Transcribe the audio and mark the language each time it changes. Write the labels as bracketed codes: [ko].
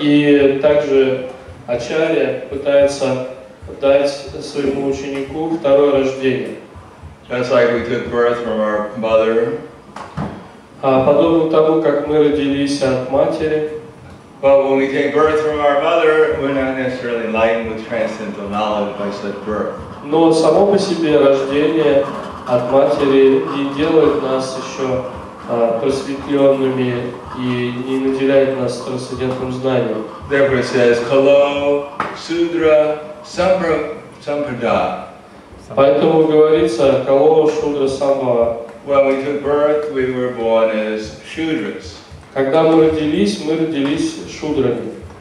[ru] И также Ачария пытается дать своему ученику второе рождение. [en] Just like we took birth from our mother. [ru] Подобно тому, как мы родились от матери. [en] But when we take birth from our mother, we're not necessarily enlightened with transcendental knowledge by such birth. [ru] Но само по себе рождение от матери не делает нас еще просветленными и не наделяет нас трансцендентным знанием. [en] Therefore it says, Kalo, Sudra, Sampradaya. [ru] Поэтому говорится, Kalo, Sudra, Sampradaya. [en] When we took birth, we were born as Shudras. [ru] Когда мы родились Шудрами.